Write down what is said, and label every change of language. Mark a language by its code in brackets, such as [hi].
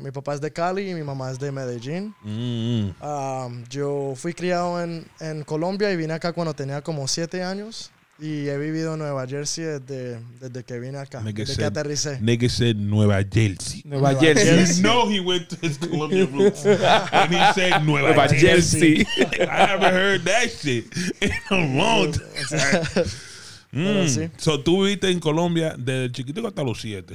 [es] Mi papá es de Cali y mi mamá es de Medellín. Mm. Yo fui criado en Colombia y vine acá cuando tenía como 7 años. Y he vivido en Nueva Jersey desde que vine acá. Desde que aterricé. [en] Nigga said Nueva Jersey. [es] Nueva Jersey. [en] You know he went to his Colombia blue. And he said Nueva Jersey. I haven't heard that shit in a long time. Mm. [es] So tú viviste en Colombia desde chiquitico hasta los 7.